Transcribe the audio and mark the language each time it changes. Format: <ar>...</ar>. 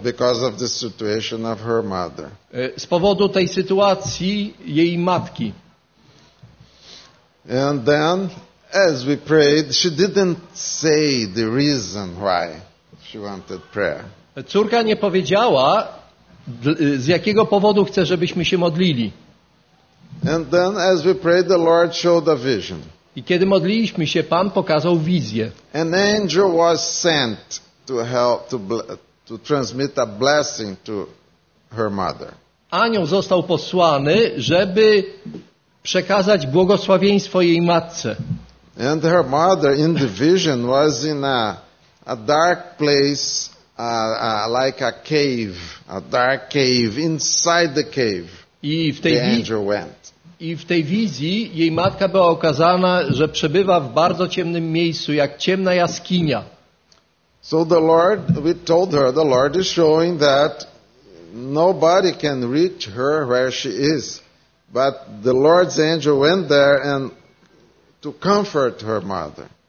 <en>Because of the situation of her mother.</en> <pl>Z powodu tej sytuacji jej matki.</pl> <en>And then, as we prayed, she didn't say the reason why she wanted prayer.</en> <pl>Córka nie powiedziała, z jakiego powodu chce, żebyśmy się modlili.</pl> <en>And then, as we prayed, the Lord showed a vision.</en> <pl>I kiedy modliliśmy się, Pan pokazał wizję.</pl> <en>An angel was sent to help to transmit a blessing to her mother.</en> <pl>Anioł został posłany, żeby przekazać błogosławieństwo jej matce.</pl> <en>And her mother in the vision was in a dark place, like a cave, a dark cave inside the cave.</en> <pl>I w tej</pl> <en>angel went.</en> <pl>I w tej wizji jej matka była okazana, że przebywa w bardzo ciemnym miejscu, jak ciemna jaskinia.</pl> <en>So the Lord, we told her, the Lord is showing that nobody can reach her where she is. But the Lord's angel went there and to comfort her mother.</en>